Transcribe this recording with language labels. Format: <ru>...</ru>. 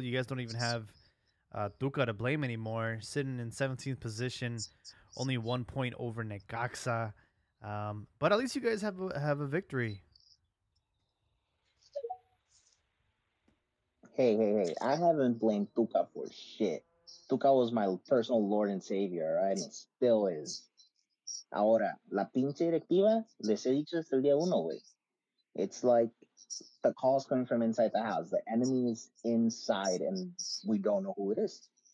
<en>You guys don't even have Tuca to blame anymore. Sitting in 17th position, only 1 point over Necaxa. But at least you guys have a victory. Hey, I haven't blamed Tuca for shit. Tuca was my personal lord and savior, right? And still is.</en> <es>Ahora, la pinche directiva, les he dicho desde el día uno, güey.</es> <en>It's like the call's coming from inside the house. The enemy is inside, and we don't know who it is.</en>